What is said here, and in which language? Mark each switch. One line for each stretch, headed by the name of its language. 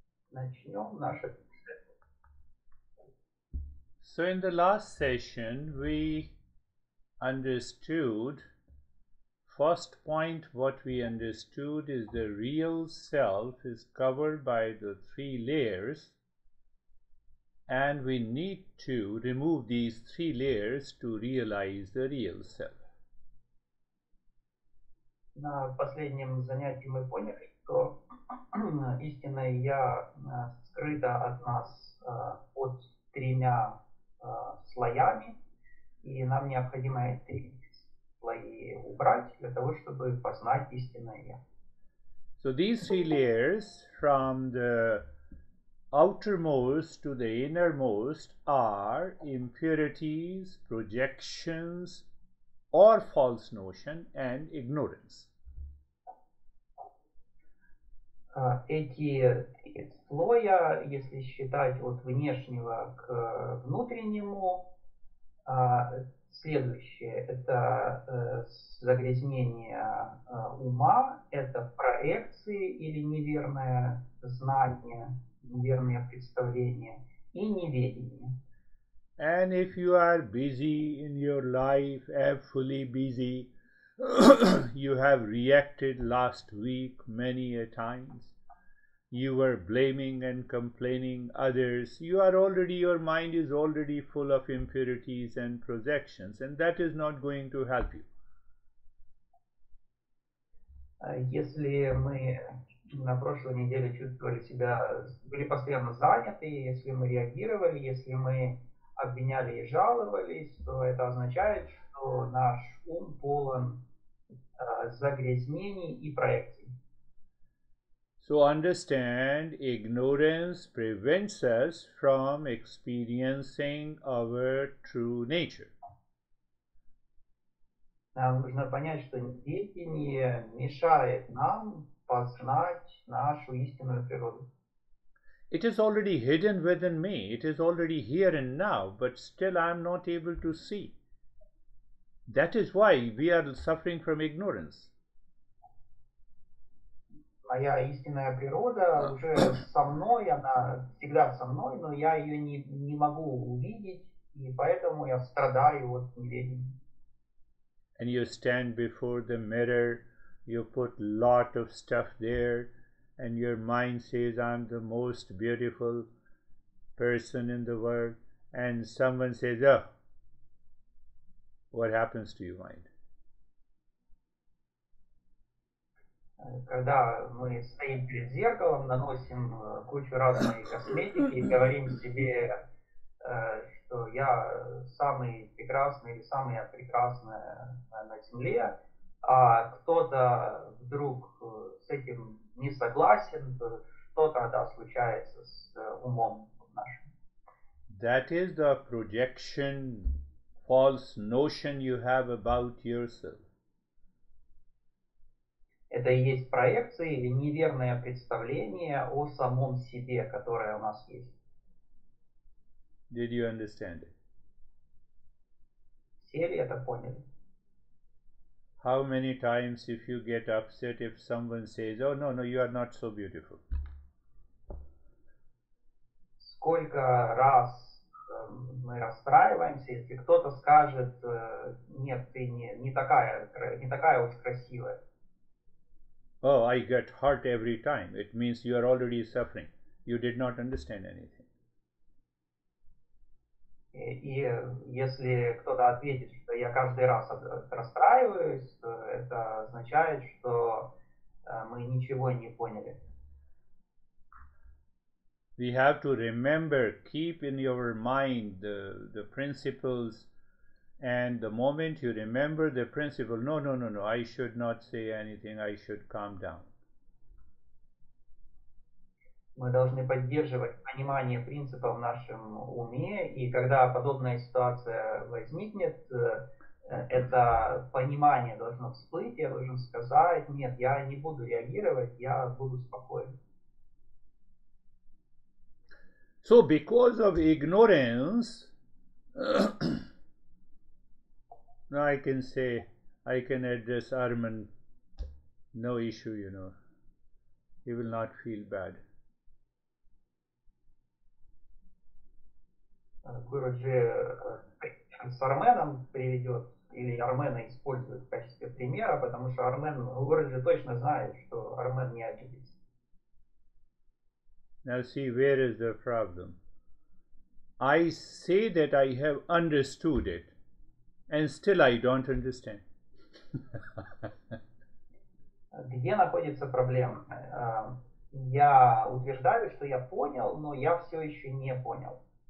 Russian: начнем наше путешествие.
English: So in the last session we understood, first point what we understood is the real self is covered by the three layers, and we need to remove these three layers to realize the real self.
Russian: На последнем занятии мы поняли, что истинное я скрыто от нас под тремя слоями, и нам необходимо эти слои убрать для того, чтобы познать истинное я.
English: So these three layers, from the outermost to the innermost, are impurities, projections, or false notion, and ignorance.
Russian: Эти слоя, если считать от внешнего к внутреннему, следующее – это загрязнение ума, это проекции или неверное знание, неверное представление и неведение.
English: And if you are busy in your life, fully busy, you have reacted last week many a times. You were blaming and complaining others. You are already, your mind is already full of impurities and projections, and that is not going to help you.
Russian: Если мы на прошлой неделе чувствовали себя, были постоянно заняты, если мы реагировали, если мы обвиняли и жаловались, то это означает, что наш ум полон загрязнений и проекций.
English: So understand, ignorance prevents us from experiencing our true nature.
Russian: Нам нужно понять, что неведение мешает нам познать нашу истинную природу.
English: It is already hidden within me. It is already here and now, but still I am not able to see. That is why we are suffering from ignorance.
Russian: Моя истинная природа уже со мной, она всегда со мной, но я ее не могу увидеть, и поэтому я страдаю от неведения.
English: And you stand before the mirror, you put lot of stuff there, and your mind says, I'm the most beautiful person in the world, and someone says, oh, what happens to your mind?
Russian: Когда мы стоим перед зеркалом, наносим кучу разной косметики и говорим себе, что я самый прекрасный или самая прекрасная на Земле, а кто-то вдруг с этим не согласен, то что тогда случается с умом нашим?
English: That is the projection, false notion you have about yourself.
Russian: Это и есть проекция или неверное представление о самом себе, которое у нас есть.
English: Did you understand it?
Russian: Все ли это поняли?
English: How many times if you get upset if someone says, oh, no, you are not so beautiful?
Russian: Сколько раз мы расстраиваемся, если кто-то скажет, нет, ты не такая уж красивая.
English: Oh, I get hurt every time. It means you are already suffering. You did not understand anything.
Russian: И если кто-то ответит, что я каждый раз расстраиваюсь, это означает, что мы ничего не поняли.
English: We have to remember, keep in your mind the principles. And the moment you remember the principle, no, I should not say anything, I should calm down.
Russian: Мы должны поддерживать понимание принципа в нашем уме, и когда подобная ситуация возникнет, это понимание должно всплыть, я должен сказать, нет, я не буду реагировать, я буду спокоен.
English: So because of ignorance, now I can say, I can address Arman, no issue, you know. He will not feel bad.
Russian: Гуруджи с Арменом приведет, или Армена использует в качестве примера, потому что Армен, Гуруджи точно знает, что Армен не обидится.
English: Now see, where is the problem? I say that I have understood it, and still I don't understand.
Russian: Где находится проблема? Я утверждаю, что я понял, но я все еще не понял.